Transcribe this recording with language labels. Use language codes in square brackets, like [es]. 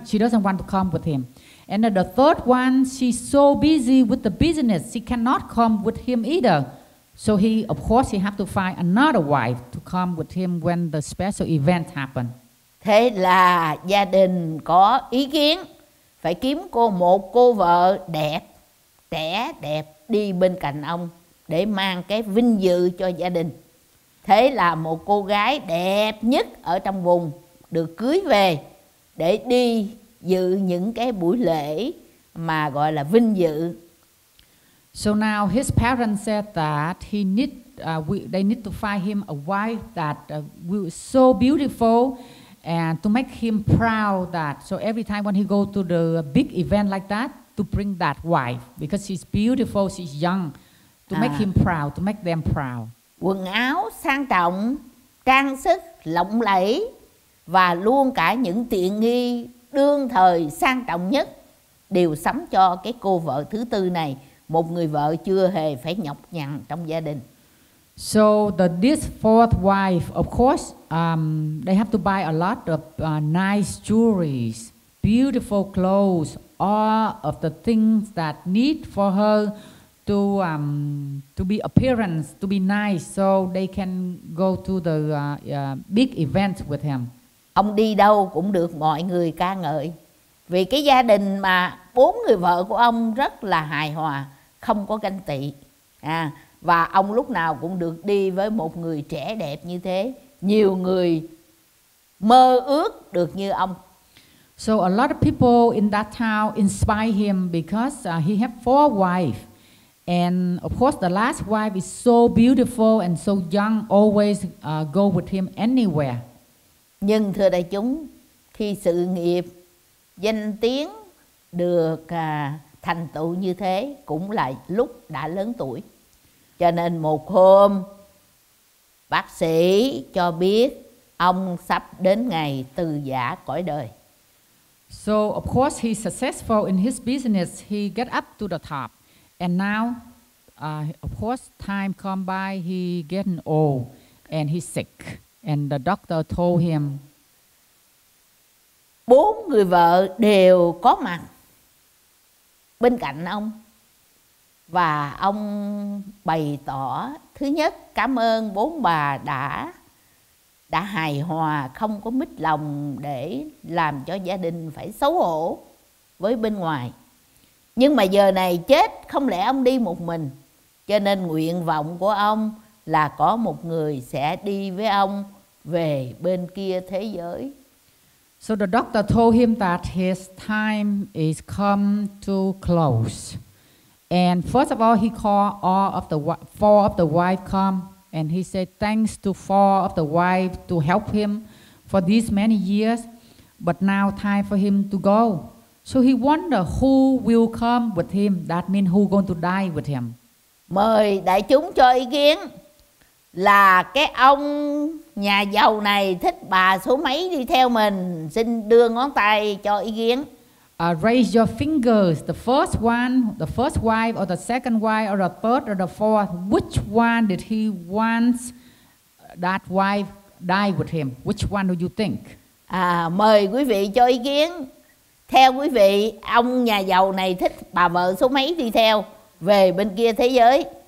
[en] She doesn't want to come with him. And the third one, she's so busy with the business, she cannot come with him either. So he, of course, he have to find another wife to come with him when the special event happened. [vi] Thế là gia đình có ý kiến phải kiếm cô một cô vợ đẹp, trẻ đẹp đi bên cạnh ông để mang cái vinh dự cho gia đình. Thế là một cô gái đẹp nhất ở trong vùng được cưới về để đi dự những cái buổi lễ mà gọi là vinh dự. [en] So now his parents said that he need they need to find him a wife that will be so beautiful and to make him proud that so every time when he go to the big event like that to bring that wife because she's beautiful, she's young to make him proud, to make them proud. [vi] Quần áo sang trọng, trang sức lộng lẫy và luôn cả những tiện nghi đương thời sang trọng nhất đều sắm cho cái cô vợ thứ tư này, một người vợ chưa hề phải nhọc nhằn trong gia đình. [en] So this fourth wife, of course, they have to buy a lot of nice jewelries, beautiful clothes, all of the things that need for her to be appearance, to be nice, so they can go to the big event with him. [vi] Ông đi đâu cũng được mọi người ca ngợi vì cái gia đình mà bốn người vợ của ông rất là hài hòa, không có ganh tị. Và ông lúc nào cũng được đi với một người trẻ đẹp như thế, nhiều người mơ ước được như ông. [en] So a lot of people in that town inspire him because he have four wives. And of course the last wife is so beautiful and so young, always go with him anywhere. [vi] Nhưng thưa đại chúng, khi sự nghiệp, danh tiếng được thành tựu như thế cũng là lúc đã lớn tuổi. Cho nên một hôm, bác sĩ cho biết ông sắp đến ngày từ giả cõi đời. [en] So of course he's successful in his business, he get up to the top. And now, of course, time come by, he getting old and he's sick. And the doctor told him. [vi] Bốn người vợ đều có mặt bên cạnh ông. Và ông bày tỏ, thứ nhất, cảm ơn bốn bà đã hài hòa, không có mít lòng để làm cho gia đình phải xấu hổ với bên ngoài. Nhưng mà giờ này chết, không lẽ ông đi một mình. Cho nên nguyện vọng của ông là có một người sẽ đi với ông về bên kia thế giới. [en] So the doctor told him that his time is come to close. And first of all, he called all of the four of the wife come. And he said thanks to four of the wife to help him for these many years. But now time for him to go. So he wonder who will come with him. That mean who going to die with him. [vi] Mời đại chúng cho ý kiến là cái ông nhà giàu này thích bà số mấy đi theo mình. Xin đưa ngón tay cho ý kiến. [en] Raise your fingers. The first one, the first wife, or the second wife, or the third, or the fourth. Which one did he want that wife die with him? Which one do you think? [vi] Mời quý vị cho ý kiến. Theo quý vị, ông nhà giàu này thích bà vợ số mấy đi theo về bên kia thế giới?